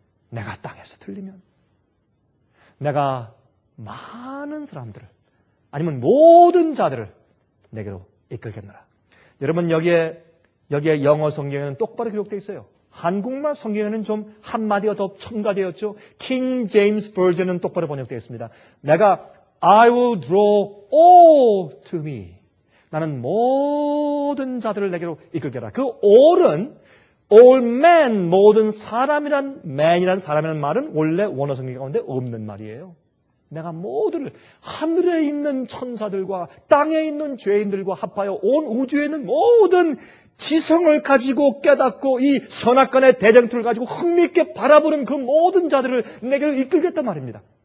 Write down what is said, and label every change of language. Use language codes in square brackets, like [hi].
[ko] 내가 땅에서 들리면 내가 많은 사람들을 아니면 모든 자들을 내게로 이끌겠느라. 여러분 여기에 영어 성경에는 똑바로 기록되어 있어요. 한국말 성경에는 좀 한마디가 더 첨가되었죠. King James Version은 똑바로 번역되어 있습니다. 내가 [en] I will draw all to me. [ko] 나는 모든 자들을 내게로 이끌게라. 그 all은 all men, 모든 사람이란 man이란 사람이란 말은 원래 원어 성경 가운데 없는 말이에요. 내가 모두를 하늘에 있는 천사들과 땅에 있는 죄인들과 합하여 온 우주에 있는 모든 지성을 가지고 깨닫고 이 선악관의 대쟁투를 가지고 흥미있게 바라보는 그 모든 자들을 내게 이끌겠단 말입니다.